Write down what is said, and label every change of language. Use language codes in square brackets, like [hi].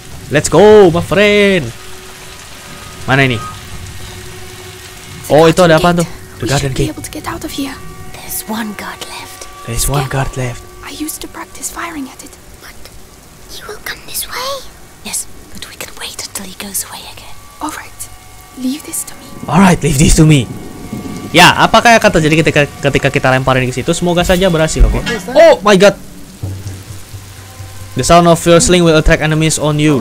[en] Let's go, my friend. [id] Mana ini? Oh, itu ada apa tuh? [en] The garden gate. We should be able to get out of here. There's one guard left. There's one guard left. I used to practice firing at it. He will come this way. Yes, but we can wait until he goes away again. All right, leave this to me. All right, leave this to me. [id] Ya, apakah akan terjadi ketika kita lemparin ke situ? Semoga saja berhasil, oke? Okay? [en] Oh my God! The sound of your sling will attract enemies on you.